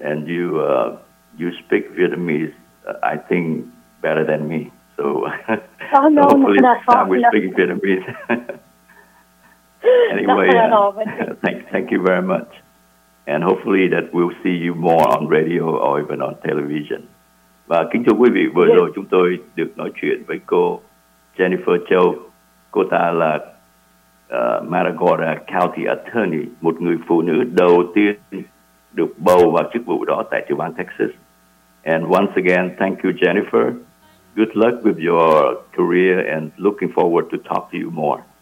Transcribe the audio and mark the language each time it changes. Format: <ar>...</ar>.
<en>And you speak Vietnamese, I think, better than me. So, hopefully, I'm speaking Vietnamese. Anyway, thank you very much. And hopefully that we'll see you more on radio or even on television.</en> <vi>Và kính thưa quý vị, vừa rồi chúng tôi được nói chuyện với cô Jennifer Châu. Cô ta là Matagorda County Attorney, một người phụ nữ đầu tiên được bầu vào chức vụ đó tại tiểu bang Texas.</vi> <en>And once again, thank you, Jennifer. Good luck with your career and looking forward to talk to you more.</en>